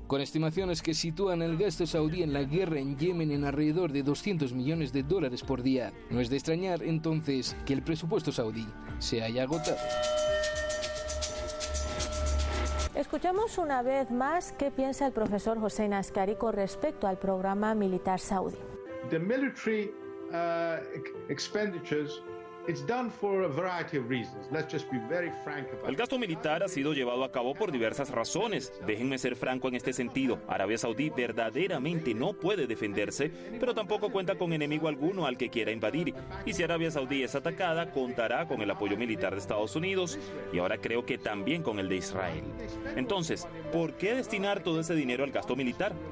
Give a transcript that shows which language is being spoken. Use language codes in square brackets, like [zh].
[es] Con estimaciones que sitúan el gasto saudí en la guerra en Yemen en alrededor de 200 millones de dólares por día, no es de extrañar entonces que el presupuesto saudí se haya agotado. Escuchamos una vez más qué piensa el profesor Hossein Askari con respecto al programa militar saudí. [en] The military expenditures, it's done for a variety of reasons. Let's just be very frank about it. [es] El gasto militar ha sido llevado a cabo por diversas razones. Déjenme ser franco en este sentido. Arabia Saudí verdaderamente no puede defenderse, pero tampoco cuenta con enemigo alguno al que quiera invadir. Y si Arabia Saudí es atacada, contará con el apoyo militar de Estados Unidos y ahora creo que también con el de Israel. Entonces, ¿por qué destinar todo ese dinero al gasto militar?